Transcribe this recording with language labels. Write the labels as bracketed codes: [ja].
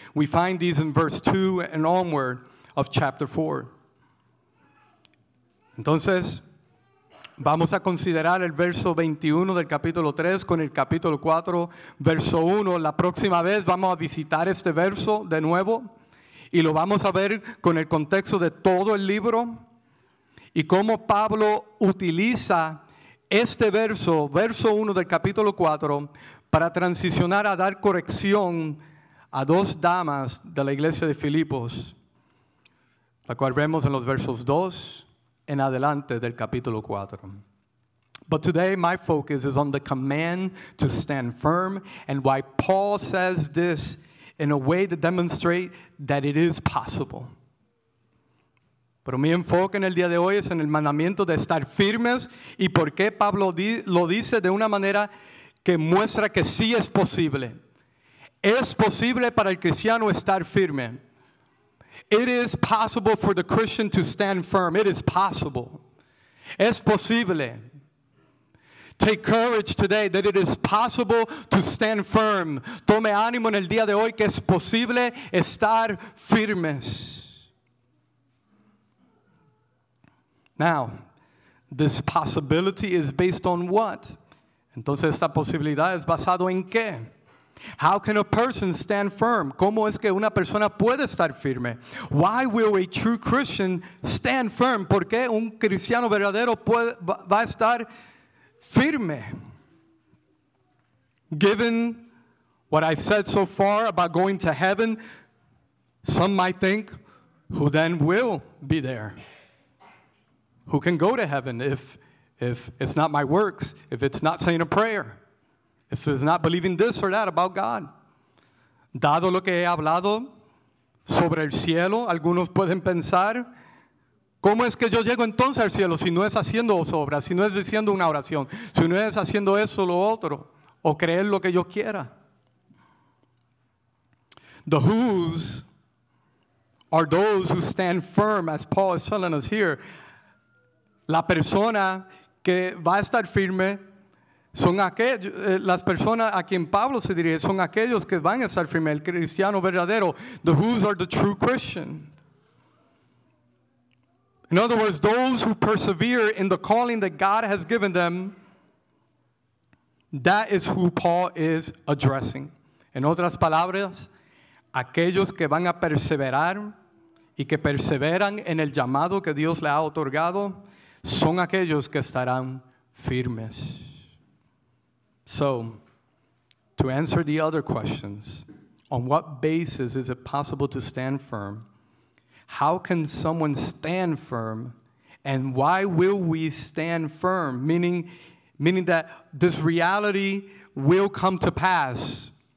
[en] We find these in verse 2 and onward of chapter 4. [es] Entonces, vamos a considerar el verso 21 del capítulo 3 con el capítulo 4, verso 1. La próxima vez vamos a visitar este verso de nuevo y lo vamos a ver con el contexto de todo el libro. y cómo Pablo utiliza este verso, verso 1 del capítulo 4, para transicionar a dar corrección a dos damas de la iglesia de Filipos, la cual vemos en los versos 2 en adelante del capítulo 4. [en] But today my focus is on the command to stand firm and why Paul says this in a way to demonstrate that it is possible. [es] Pero mi enfoque en el día de hoy es en el mandamiento de estar firmes y por qué Pablo lo dice de una manera que muestra que sí es posible. Es posible para el cristiano estar firme. [en] It is possible for the Christian to stand firm. It is possible. [es] Es posible. [en] Take courage today that it is possible to stand firm. [es] Tome ánimo en el día de hoy que es posible estar firmes. [en] Now, this possibility is based on what? [es] Entonces, esta posibilidad es basado en qué? [en] How can a person stand firm? [es] ¿Cómo es que una persona puede estar firme? [en] Why will a true Christian stand firm? [es] ¿Por qué un cristiano verdadero puede, va a estar firme? [en] Given what I've said so far about going to heaven, some might think, who then will be there? Who can go to heaven if it's not my works, if it's not saying a prayer, if it's not believing this or that about God? [es] Dado lo que he hablado sobre el cielo, algunos pueden pensar, ¿cómo es que yo llego entonces al cielo si no es haciendo obras, si no es diciendo una oración, si no es haciendo eso o lo otro, o creer lo que yo quiera? [en] The who's are those who stand firm, as Paul is telling us here. [es] La persona que va a estar firme son aquellos, las personas a quien Pablo se dirige son aquellos que van a estar firme, el cristiano verdadero. [en] The who's are the true Christian. In other words, those who persevere in the calling that God has given them, that is who Paul is addressing. [es] En otras palabras, aquellos que van a perseverar y que perseveran en el llamado que Dios le ha otorgado, son aquellos que estarán firmes. [en] So, to answer the other questions, on what basis is it possible to stand firm? How can someone stand firm? And why will we stand firm? Meaning that this reality will come to pass.